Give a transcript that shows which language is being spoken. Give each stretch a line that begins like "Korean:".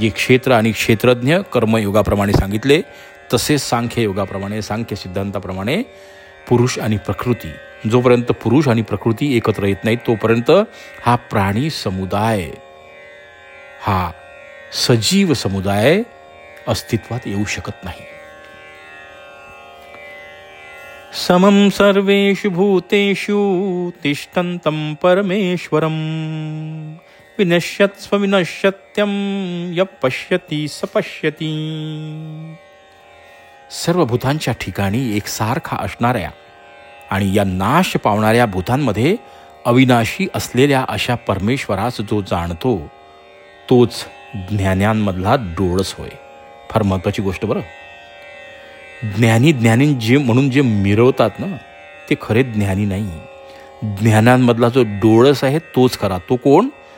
Marathi: जे क्षेत्र आणि क्षेत्रज्ञ कर्मयोगाप्रमाणे सांगितले तसेच सांख्ययोगाप्रमाणे, सांख्य सिद्धांताप्रमाणे पुरुष आणि प्रकृती, जोपर्यंत पुरुष आणि प्रकृती एकत्र येत नाही तोपर्यंत हा प्राणी समुदाय, हा सजीव समुदाय अस्तित्वात येऊ शकत नाही।
Sanskrit: समं सर्वेषु भूतेषु तिष्ठन्तं परमेश्वरं विनश्यत्स्व विनश्यत्यं यः पश्यति स पश्यति।
Marathi: सर्व भूतांच्या ठिकाणी एकसारखा असणाऱ्या आणि या नाश पावणाऱ्या भूतांमध्ये अविनाशी असलेल्या अशा परमेश्वरास जो जाणतो तोच ज्ञान्यांमधला डोळस होय। फार महत्वाची गोष्ट बरं, ज्ञानी ज्ञानी जे म्हणून जे मिरवतात ना ते खरे ज्ञानी नाही, ज्ञानांमधला जो डोळस आहे तोच खरा। तो कोण?